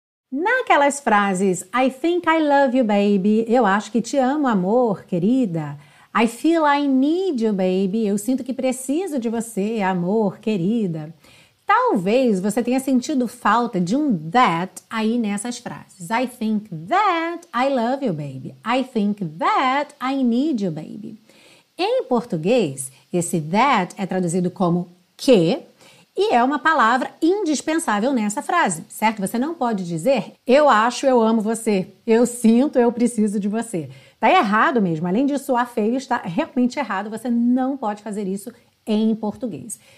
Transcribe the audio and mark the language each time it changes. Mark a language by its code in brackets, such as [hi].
[pt] Naquelas frases, [en] I think I love you, baby, [pt] eu acho que te amo, amor, querida. [en] I feel I need you, baby, [pt] eu sinto que preciso de você, amor, querida. Talvez você tenha sentido falta de um that aí nessas frases. [en] I think that I love you, baby. I think that I need you, baby. [pt] Em português, esse that é traduzido como que e é uma palavra indispensável nessa frase, certo? Você não pode dizer eu acho, eu amo você, eu sinto, eu preciso de você. Tá errado mesmo. Além disso, a feio está realmente errado. Você não pode fazer isso em português.